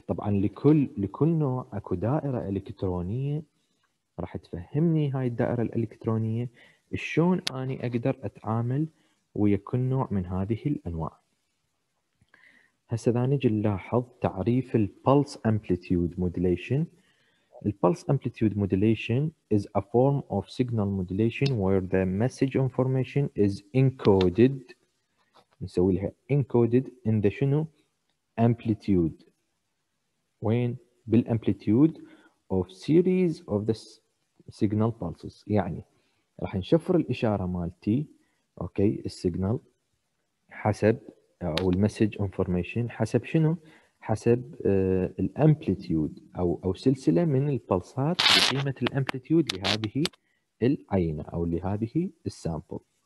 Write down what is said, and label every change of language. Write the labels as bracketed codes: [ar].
[ar] طبعا لكل نوع اكو دائره الكترونيه راح تفهمني هاي الدائره الالكترونيه شلون اني اقدر اتعامل ويا كل نوع من هذه الانواع. هسه نجي نلاحظ تعريف البلس امبليتيود مودوليشن. [en] Pulse amplitude modulation is a form of signal modulation where the message information is encoded. [ar] نسوي لها [en] encoded in the [ar] شنو [en] amplitude. [ar] وين [en] بالamplitude of series of the signal pulses. [ar] يعني راح نشفر الإشارة مالتي. Okay, signal حسب أو message information حسب شنو؟ حسب الامبليتيود او سلسله من البلسات بقيمه الامبليتيود لهذه العينه او لهذه السامبل.